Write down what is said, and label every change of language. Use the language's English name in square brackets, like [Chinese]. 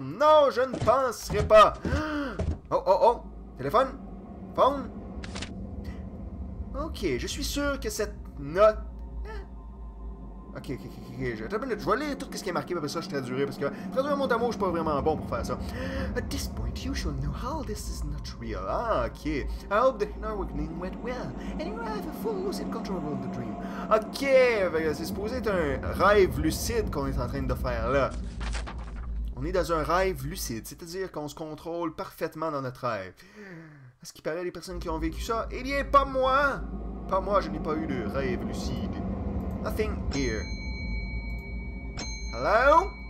[French] Non, je ne penserai pas! Oh! Téléphone? Phone? Ok, je suis sûr que cette note... Ok, je vais lire tout ce qui est marqué, mais après ça je traduirai, parce que traduire mot à mot, je suis pas vraiment bon pour faire ça. [English] At this point, you should know how this is not real. Ah, ok. I hope the inner awakening went well, and you have a full lucid control of the dream. [French] Ok, c'est supposé être un rêve lucide qu'on est en train de faire là. On est dans un rêve lucide, c'est-à-dire qu'on se contrôle parfaitement dans notre rêve. À ce qui paraît, les personnes qui ont vécu ça, eh bien, pas moi! Pas moi, je n'ai pas eu de rêve lucide. [English] Nothing here. Hello?